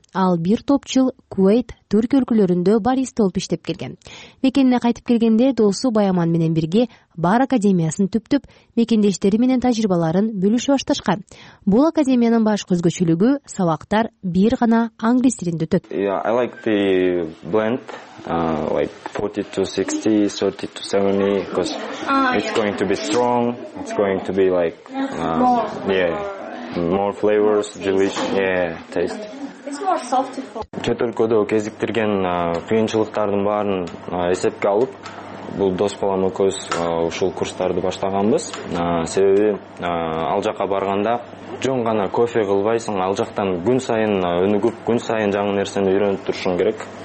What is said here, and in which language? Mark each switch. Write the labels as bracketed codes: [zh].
[ky] Ал бир топ жыл Кувейт, Түрк өлкөлөрүндө бариста болуп иштеп келген. Мекенине кайтып келгенде досу Баяман менен бирге Бар академиясын түптөп, мекендештери менен тажрыйбаларын бөлүшүп башташкан. Бул академиянын баш көзгөчөлүгү сабактар бир гана англис тилинде өтөт. [en] I like the blend like 40-60, 30-70 because it's going to be strong, it's going to be like more flavors, delicious, taste. It's more soft for. [ky] Чет өлкөдө кезиктирген кыйынчылыктардын баарын эсепке алып, бул дос балам экөөбүз ушул курстарды баштаганбыз. Себеби ал жака барганда жөн гана кофе кылбайсың, ал жактан күн сайын өнүгүп, күн сайын жаңы нерсени үйрөнүп турушуң керек.